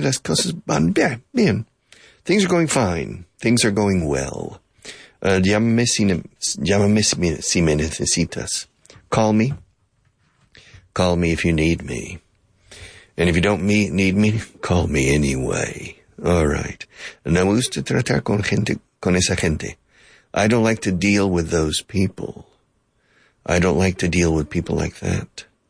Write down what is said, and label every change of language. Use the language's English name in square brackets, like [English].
[Spanish] Las cosas van bien. [English] Things are going fine. Things are going well. [Spanish] Llámame si me necesitas. [English] Call me. Call me if you need me. And if you don't need me, call me anyway. All right. [Spanish] No me gusta tratar con gente, con esa gente. [English] I don't like to deal with those people. I don't like to deal with people like that.